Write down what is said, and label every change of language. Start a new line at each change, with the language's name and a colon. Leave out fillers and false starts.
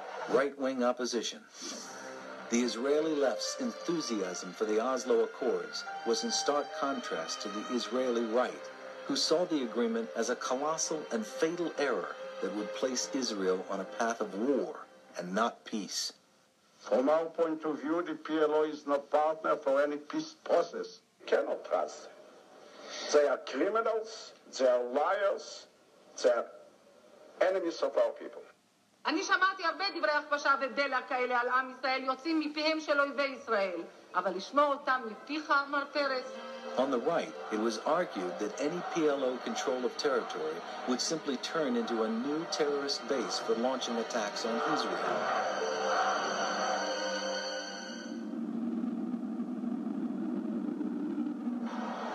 English: Right-wing opposition. The Israeli left's enthusiasm for the Oslo Accords was in stark contrast to the Israeli right, who saw the agreement as a colossal and fatal error that would place Israel on a path of war and not peace. From our point of view, the PLO is no partner for any peace process. We cannot trust them. They are criminals, they are liars, they are enemies of our people.
Hebrew: אני שמעתי הרבה דברי הכפשה ודלע כאלה על עם ישראל יוצאים מפיהם של אויבי ישראל, אבל לשמוע אותם מפיך, אמר פרס.
English: On the right, it was argued that any PLO control of territory would simply turn into a new terrorist base for launching attacks on Israel.